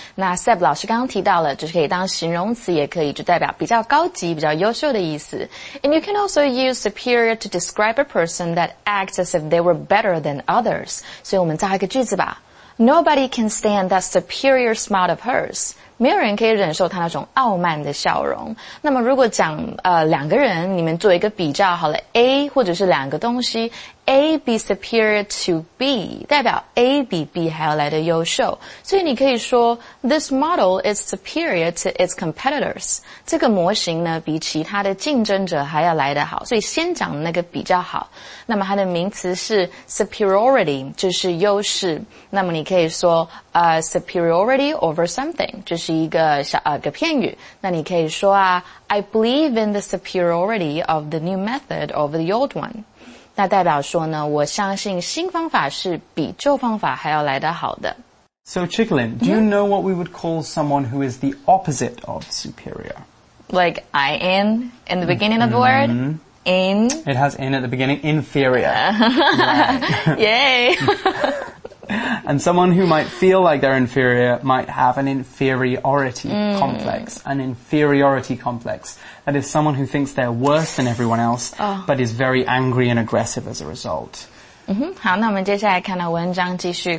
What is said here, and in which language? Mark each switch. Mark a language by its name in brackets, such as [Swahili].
[Chinese] 那 Seb 老师刚刚提到了，就是可以当形容词，也可以就代表比较高级、比较优秀的意思。 [English] And you can also use superior to describe a person that acts as if they were better than others. [Chinese] 所以我们造一个句子吧。 [English] Nobody can stand that superior smile of hers. [Chinese] 没有人可以忍受她那种傲慢的笑容。那么如果讲两个人，你们做一个比较好了 ，A 或者是两个东西 ， A be superior to B，代表 A 比 B 还要来得优秀。 [English] 所以你可以说，This model is superior to its competitors. [Chinese] 这个模型呢，比其他的竞争者还要来得好。所以先讲那个比较好。那么它的名词是 superiority， 就是优势。那么你可以说 superiority over something，就是一个小个片语。 [English] 那你可以说啊，I believe in the superiority of the new method over the old one。 [Chinese] 那代表说呢，我相信新方法是比旧方法还要来得好的。 [English] So Chicklin, do you know what we would call someone who is the opposite of superior? Like I am in the beginning of the word. In? It has in at the beginning. Inferior. Yay! And someone who might feel like they're inferior might have an inferiority complex. An inferiority complex. That is someone who thinks they're worse than everyone else, but is very angry and aggressive as a result. [Chinese] 好，那我们接下来看到文章继续。